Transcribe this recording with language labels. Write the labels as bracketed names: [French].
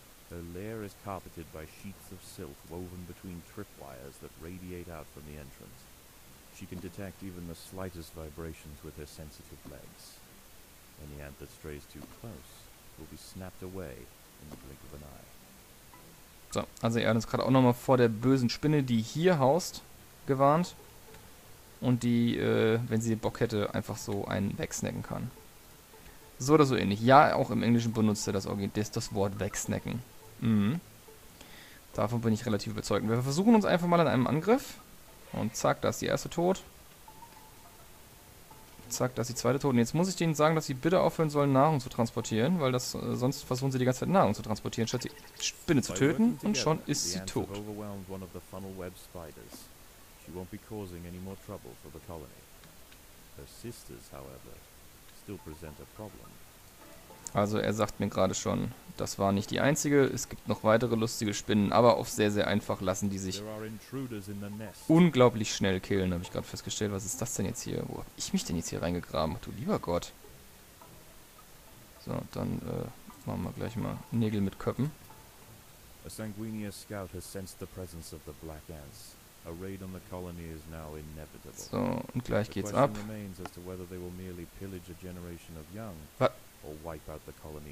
[English] Her lair is carpeted by sheets of silk woven between tripwires that radiate out from the entrance. She can detect even the slightest vibrations with her sensitive legs. Any ant that strays too close will be snapped away in the blink of an eye. [German] So, also er hat uns gerade auch nochmal vor der bösen Spinne, die hier haust, gewarnt. Und die, wenn sie Bock hätte, einfach so einen wegsnacken kann. So oder so ähnlich. Ja, auch im Englischen benutzt er das Wort wegsnacken. Mhm. Davon bin ich relativ überzeugt. Wir versuchen uns einfach mal an einem Angriff. Und zack, da ist die erste tot. Zack, da ist die zweite tot. Und jetzt muss ich denen sagen, dass sie bitte aufhören sollen, Nahrung zu transportieren. Weil das sonst versuchen sie die ganze Zeit, Nahrung zu transportieren, statt die Spinne zu töten. Und schon ist sie tot. [English] She won't be causing any more trouble for the colony. Her sisters, however, still present a problem. [German] Also er sagt mir gerade schon, das war nicht die einzige, es gibt noch weitere lustige Spinnen, aber auf sehr, sehr einfach lassen die sich unglaublich schnell killen, habe ich gerade festgestellt. Was ist das denn jetzt hier? Wo habe ich mich denn jetzt hier reingegraben? Ach, du lieber Gott. So, dann machen wir gleich mal Nägel mit Köppen. [English] A sanguineous scout has sensed the presence of the black ants. A raid on the colony is now inevitable. [German] So, und gleich geht's ab. [English] Remains as to whether they will merely pillage a generation of young or wipe out the colony.